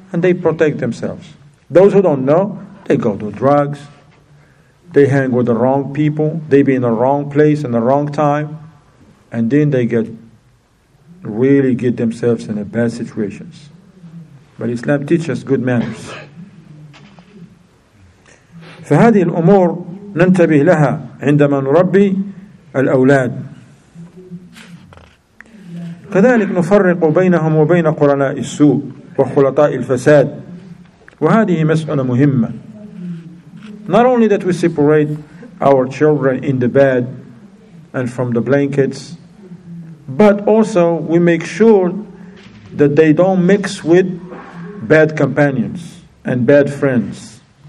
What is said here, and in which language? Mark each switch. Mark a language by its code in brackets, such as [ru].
[en] And they protect themselves. Those who don't know, they go do drugs. They hang with the wrong people. They be in the wrong place in the wrong time. And then they get really get themselves in a bad situations. But Islam teaches good manners. [ar] فهذه الأمور ننتبه لها عندما نربي الأولاد. كذلك نفرق بينهم وبين قرناء السوء وخلطاء الفساد. وهذه مسألة مهمة. [en] Not only that we separate our children in the bed and from the blankets, but also we make sure that they don't mix with bad companions and bad friends.